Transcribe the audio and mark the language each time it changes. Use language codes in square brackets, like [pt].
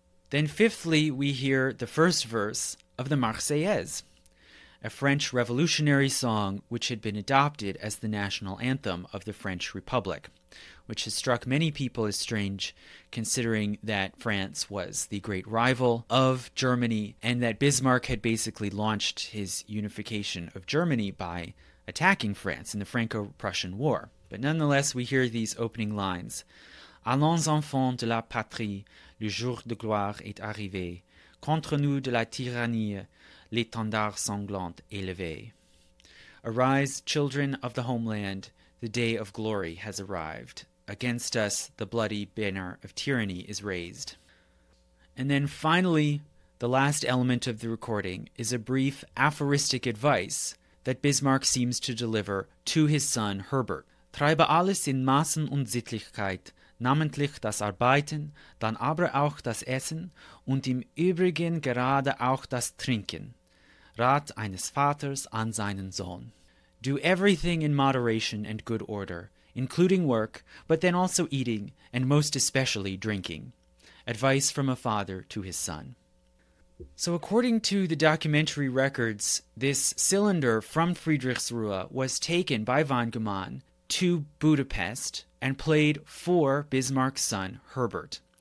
[en] Then fifthly, we hear the first verse of the Marseillaise, a French revolutionary song which had been adopted as the national anthem of the French Republic, which has struck many people as strange, considering that France was the great rival of Germany and that Bismarck had basically launched his unification of Germany by attacking France in the Franco-Prussian War. But nonetheless, we hear these opening lines. [fr] Allons enfants de la patrie, le jour de gloire est arrivé. Contre nous de la tyrannie, l'étendard sanglant est levé. [en] Arise, children of the homeland, the day of glory has arrived. Against us, the bloody banner of tyranny is raised. And then finally, the last element of the recording is a brief aphoristic advice that Bismarck seems to deliver to his son Herbert. [de] Treibe alles in Maßen und Sittlichkeit, namentlich das Arbeiten, dann aber auch das Essen und im Übrigen gerade auch das Trinken. Rat eines Vaters an seinen Sohn. [en] Do everything in moderation and good order, including work, but then also eating, and most especially drinking. Advice from a father to his son. So according to the documentary records, this cylinder from Friedrichsruhe was taken by von Gemahn to Budapest and played for Bismarck's son, Herbert.